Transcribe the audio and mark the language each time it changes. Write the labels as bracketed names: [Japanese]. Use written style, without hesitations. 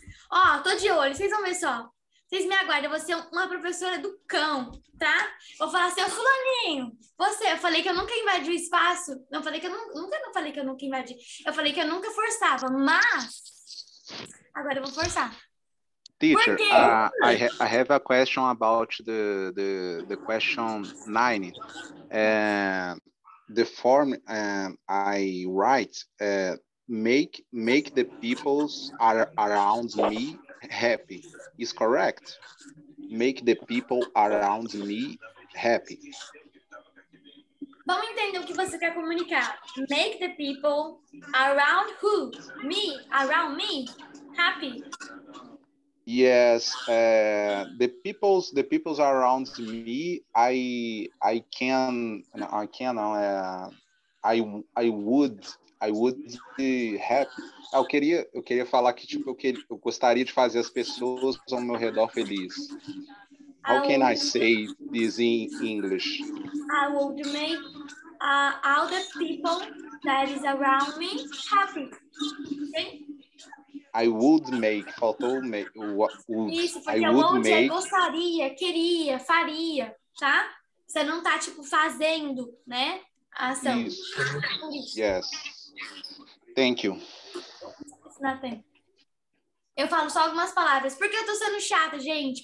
[Portuguese] Ó, tô de olho, vocês vão ver só. Vocês me aguardam, eu vou ser uma professora do cão, tá? Vou falar assim, fulaninho, você, eu falei que eu nunca invadi o espaço. Não, falei que eu nunca não falei que eu nunca invadi. Eu falei que eu nunca forçava, mas agora eu vou forçar. [English] Teacher, I have a question about the question 9. The form I write, make the people around me happy. Is correct. Make the people around me happy. [Portuguese] Vamos entender o que você quer comunicar. [English] Make the people around who? Me? Around me? Happy. Yes. The people around me, I would be happy. [Portuguese] Eu queria falar que, tipo, eu gostaria de fazer as pessoas ao meu redor feliz. [English] How can I say this in English? I would make all the people that is around me happy. Okay? I would make, [Portuguese] faltou [English] make. Would. [Portuguese] Isso, porque onde é gostaria, queria, faria, tá? Você não tá, tipo, fazendo, né? A ação. Isso. [English] Yes. Thank you. nothing. [Portuguese] Eu falo só algumas palavras. Por que eu tô sendo chata, gente?